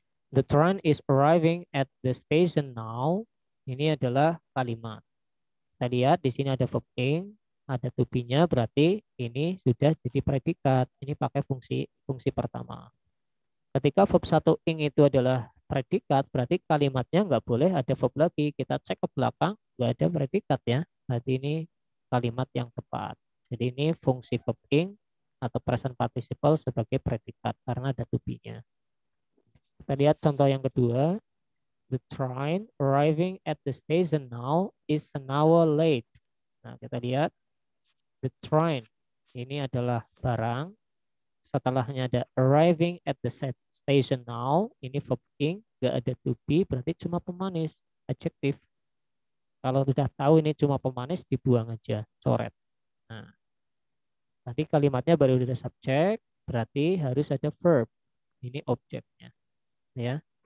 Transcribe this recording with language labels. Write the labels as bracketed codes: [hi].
[en] The train is arriving at the station now. [id] Ini adalah kalimat. Kita lihat di sini ada verb ing. Ada to be-nya berarti ini sudah jadi predikat. Ini pakai fungsi pertama. Ketika verb 1 ing itu adalah predikat, berarti kalimatnya nggak boleh ada verb lagi. Kita cek ke belakang, nggak ada predikat ya. Berarti ini kalimat yang tepat. Jadi ini fungsi verb ing atau present participle sebagai predikat karena ada to be-nya. Kita lihat contoh yang kedua. [en] The train arriving at the station now is an hour late. [id] Nah, kita lihat. The train, ini adalah barang. Setelahnya ada arriving at the station now. Ini verb ing, nggak ada to be, berarti cuma pemanis, adjektif. Kalau sudah tahu ini cuma pemanis, dibuang aja, coret. Nah, tadi kalimatnya baru ada subjek, berarti harus ada verb. Ini objeknya. Ya.